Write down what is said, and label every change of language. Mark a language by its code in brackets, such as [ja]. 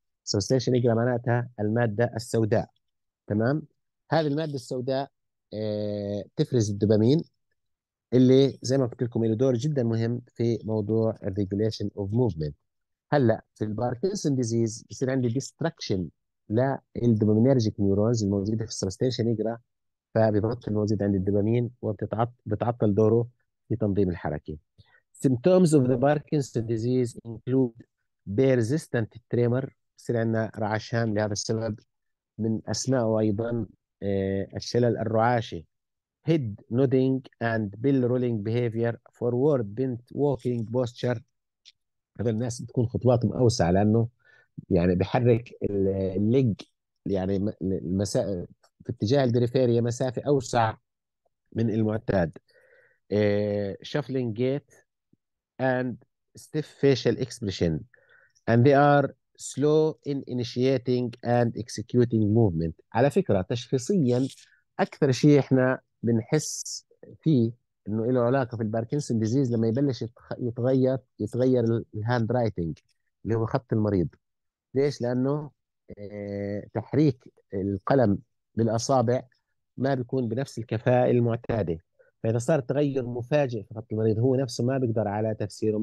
[ar] سبستانشيا نيجرا معناتها الماده السوداء. تمام، هذه الماده السوداء تفرز الدوبامين اللي زي ما قلت لكم له دور جدا مهم في موضوع [en] الريجوليشن of movement. [ar] هلا في الباركنسون ديزيز بصير عندي ديستركشن للدوبامينرجيك نيورونز الموجوده في السبستانشيا نيجرا، فبيبطل موجود عندي الدوبامين وبتعطل دوره في تنظيم الحركه. [en] Symptoms of the Parkinson disease include persistent tremor، [ar] بصير عندنا رعشان لهذا السبب، من اسمائه ايضا الشلل الرعاشي، [en] head nodding and bill rolling behavior, forward bent walking posture. [ar] هذا الناس بتكون خطواتهم اوسع لانه يعني بحرك الليج يعني في اتجاه البريفيريا مسافه اوسع من المعتاد. [en] shuffling gait and stiff facial expression and they are slow in initiating and executing movement. [ar] على فكرة تشخيصيا أكثر شيء إحنا بنحس فيه إنه له علاقة في الباركنسون ديزيز لما يبلش يتغير الهاند رايتنج اللي هو خط المريض. ليش؟ لأنه تحريك القلم بالأصابع ما بيكون بنفس الكفاءة المعتادة، فإذا صار تغير مفاجئ في خط المريض هو نفسه ما بيقدر على تفسيره.